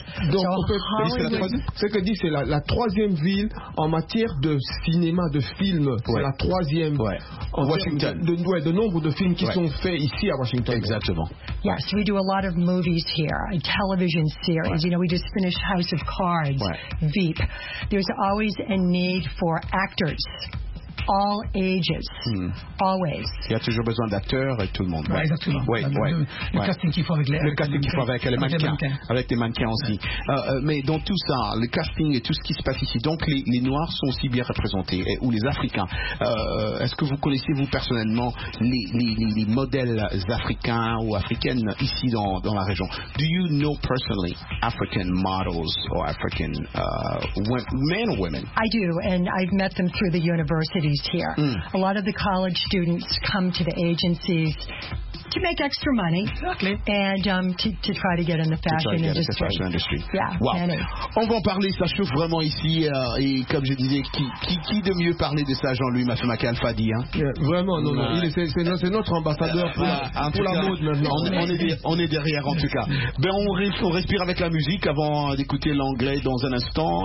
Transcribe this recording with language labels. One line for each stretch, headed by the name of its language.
French: Donc, so, peut, ce que dit, c'est la troisième ville en matière de cinéma, de film. Ouais. C'est la troisième. Ouais. En Washington. De nombre de films qui sont faits ici à Washington. Exactement.
English: Yes, we do a lot of movies here, a television series. Ouais. You know, we just finished House of Cards, ouais. Veep. There's always a need for actors. All ages, always.
French: Il y a toujours besoin d'acteurs et tout le monde. Ouais, exactement. Ouais, le casting qu'il faut avec les mannequins. Avec les mannequins aussi. Ouais. Mais dans tout ça, le casting et tout ce qui se passe ici, donc les Noirs sont aussi bien représentés, ou les Africains. Est-ce que vous connaissez, vous, personnellement, les modèles africains ou africaines ici dans la région?
English: Do you know personally African models or African men or women? I do, and I've met them through the university. Here. Mm. A lot of the college students come to the agencies to make extra money. Exactly. And to try to get in the fashion industry. Yeah. Wow. Many.
French: On va en parler, ça chauffe vraiment ici. Et comme je disais, qui de mieux parler de ça, Jean-Louis Mafemake Alpha Di, hein? Yeah, vraiment, non, non. Il est, c'est notre ambassadeur pour la mode maintenant. On est derrière en tout cas. Ben, on respire avec la musique avant d'écouter l'anglais dans un instant.